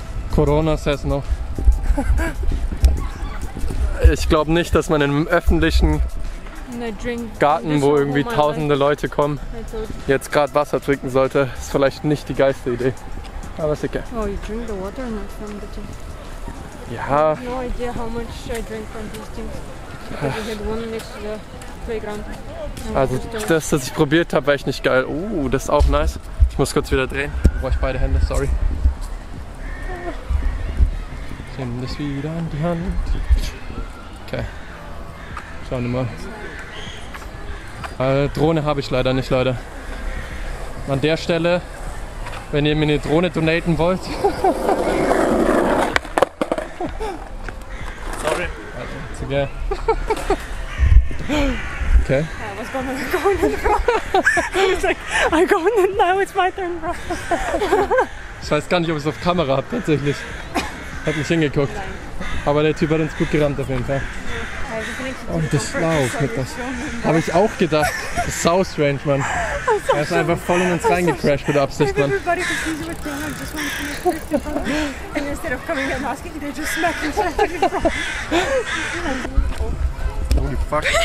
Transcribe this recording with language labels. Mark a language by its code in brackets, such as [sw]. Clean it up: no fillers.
[en] Corona says no. [de] Ich glaube nicht, dass man in einem öffentlichen Garten, wo irgendwie tausende Leute kommen, jetzt gerade Wasser trinken sollte. Ist vielleicht nicht die geilste Idee. Aber ist okay. [en] Oh, you drink the water, not from the tank. [de] Ja. [en] I have no idea how much I drink from these things. Because we had one next to the playground. [de] Also das, was ich probiert habe, war echt nicht geil. Das ist auch nice. Ich muss kurz wieder drehen. Brauche ich beide Hände, sorry. Ich nehme das wieder in die Hand. Okay. Schauen wir mal. Drohne habe ich leider nicht, Leute. An der Stelle, wenn ihr mir eine Drohne donaten wollt. [en] Sorry. Also, it's okay. Okay. I go in it now, it's my turn, bro. [de] Ich weiß gar nicht, ob ich es auf Kamera habe, tatsächlich. Hat nicht hingeguckt. Aber der Typ hat uns gut gerannt, auf jeden Fall. Und das Lauf, das habe ich auch gedacht. Das ist sau strange, man. Er ist einfach voll in uns reingecrashed mit der Absicht, man. [en] Holy fuck.